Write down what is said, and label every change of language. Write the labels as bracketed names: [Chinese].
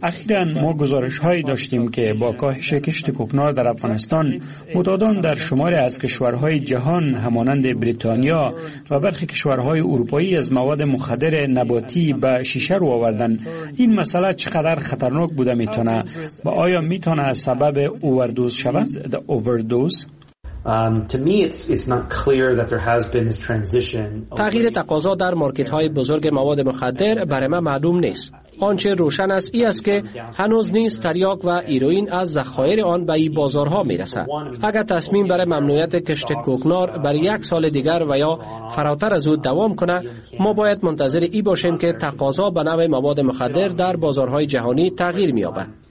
[Persian] اخیراً ما گزارش‌هایی داشتیم که با کاهش کشت کوکنار در افغانستان، معتادان در شماری از کشورهای جهان همانند بریتانیا و برخی کشورهای اروپایی از مواد مخدر نباتی به شیشه رو آوردند. این مسئله چقدر خطرناک بوده میتونه و آیا میتونه سبب اووردوز شود؟ [English] The overdose. To me it's not clear that there has been this transition. [Persian] تغییر تقاضا در مارکت های بزرگ مواد مخدر برای من معلوم نیست. آنچه روشن است ای است که هنوز نیز تریاک و ایروین از ذخایر آن به این بازارها میرسد. اگر تصمیم برای ممنوعیت کشت کوکنار برای یک سال دیگر و یا فراتر از او دوام کنه، ما باید منتظر ای باشیم که تقاضا به نوع مواد مخدر در بازارهای جهانی تغییر می‌یابد.